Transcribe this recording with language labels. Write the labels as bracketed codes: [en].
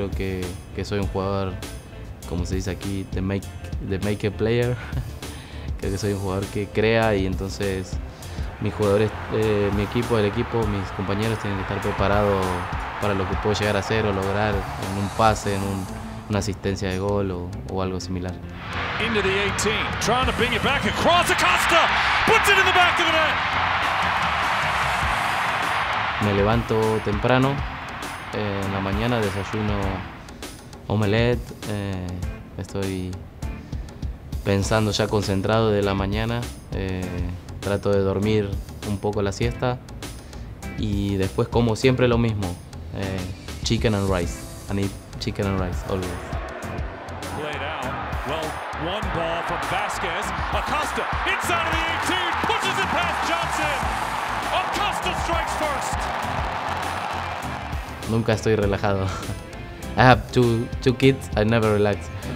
[es] Creo que soy un jugador, como se dice aquí, [en] the maker player. [es] Creo que soy un jugador que crea, y entonces mis jugadores, mi equipo, mis compañeros tienen que estar preparados para lo que puedo llegar a hacer o lograr en un pase, en una asistencia de gol o algo similar. [en] Into the 18, trying to bring it back across Acosta, puts it in the back of the net. [es] Me levanto temprano, en la mañana desayuno omelette, estoy pensando ya concentrado de la mañana, trato de dormir un poco la siesta y después como siempre lo mismo, [en] chicken and rice. I need chicken and rice, always. Played out. Well, one ball from Vasquez. Acosta, inside of the 18, pushes it past Johnson. Acosta strikes first. [es] Nunca estoy relajado. [en] I have two kids, I never relax.